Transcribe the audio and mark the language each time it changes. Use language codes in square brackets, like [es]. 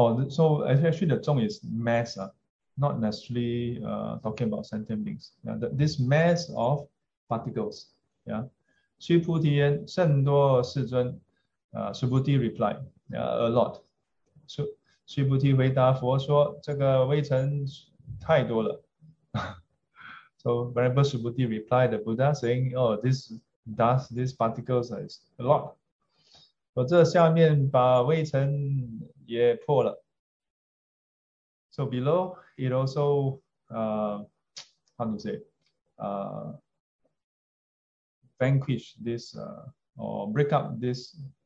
[en] So actually the 众 is mass, not necessarily talking about sentient beings. Yeah, this mass of particles. Yeah, [zh] 须菩提言甚多世尊. [en] Subhuti replied, a lot. So, [zh] 须菩提回答佛说，这个微尘太多了. [en] So, Venerable Subhuti replied the Buddha, saying, oh, this dust, these particles are a lot. [zh] 我这下面把微尘也破了. [en] So, below, it also, how to say, vanquish this, or break up this.